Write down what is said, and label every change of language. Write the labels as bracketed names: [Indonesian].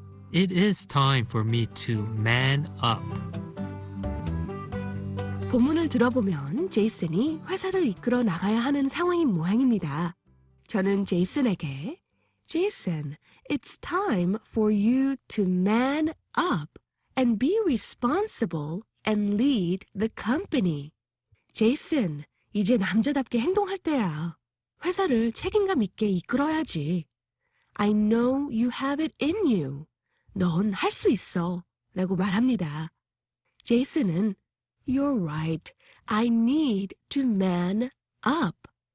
[Korean] 본문을 들어보면 제이슨이 제이슨이 회사를 이끌어 나가야 하는 상황인 모양입니다. 저는 제이슨에게 [English] Jason, it's time for you to man up and be responsible and lead the company. [Korean] 제이슨, 이제 남자답게 행동할 때야. 회사를 책임감 있게 이끌어야지. [English] I know you have it in you. [Korean] 넌 할 수 있어. 라고 말합니다. [English] 제이슨은 You're right. I need to man up.